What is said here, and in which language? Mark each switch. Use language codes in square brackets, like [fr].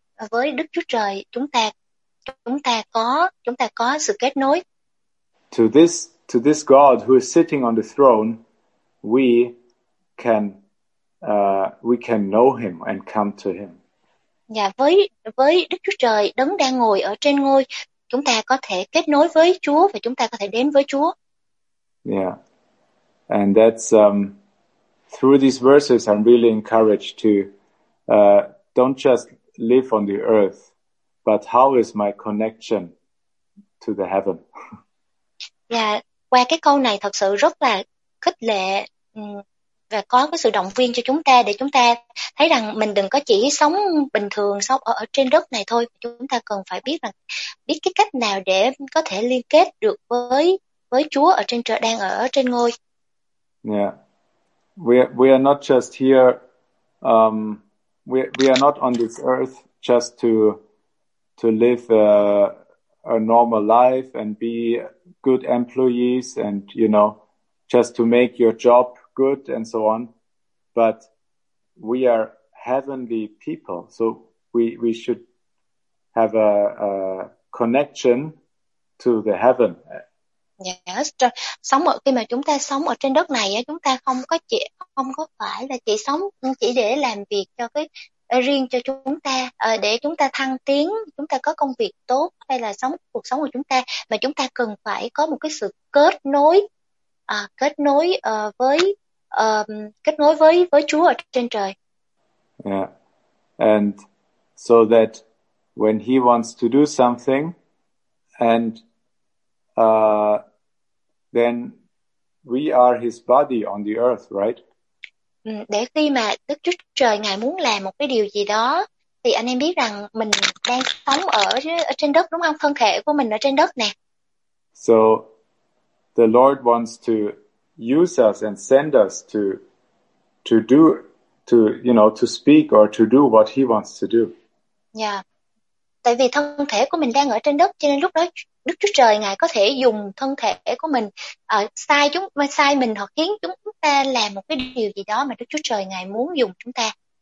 [vi] Với Đức Chúa Trời, chúng ta có sự kết nối. [en] To this God who is sitting on the throne, we can know him and come to him. [vi] Với Đức Chúa Trời đấng đang ngồi ở trên ngôi, chúng ta có thể kết nối với Chúa và chúng ta có thể đến với Chúa. [en] And that's through these verses, I'm really encouraged to don't just live on the earth, but how is my connection to the heaven? [vi] Qua cái câu này thật sự rất là khích lệ và có cái sự động viên cho chúng ta, để chúng ta thấy rằng mình đừng có chỉ sống bình thường, sống ở trên đất này thôi. Chúng ta cần phải biết cái cách nào để có thể liên kết được với Chúa ở trên trời, đang ở trên ngôi. [en] Yeah. we are not just here. We are not on this earth just to live a normal life and be good employees and, you know, just to make your job good and so on. But we are heavenly people, so we should have a connection to the heaven. [vi] Yes, sống ở khi mà chúng ta sống ở trên đất này á, chúng ta không phải là chỉ sống chỉ để làm việc cho cái riêng cho chúng ta, để chúng ta thăng tiến, chúng ta có công việc tốt hay là sống cuộc sống của chúng ta, mà chúng ta cần phải có một cái sự kết nối với Chúa ở trên trời. [en] Yeah, and so that when He wants to do something, and then we are His body on the earth, right? [vi] Để khi mà Đức Chúa Trời Ngài muốn làm một cái điều gì đó, thì anh em biết rằng mình đang sống ở trên đất, đúng không? Thân thể của mình ở trên đất nè. [en] So the Lord wants to use us and send us to do, to, you know, to speak or to do what He wants to do. Yeah. [vi] Tại vì thân thể của mình đang ở trên đất, cho nên lúc đó Đức Chúa Trời Ngài có thể dùng thân thể của mình sai mình, hoặc khiến chúng ta làm một cái điều gì đó mà Đức Chúa Trời Ngài muốn dùng chúng ta.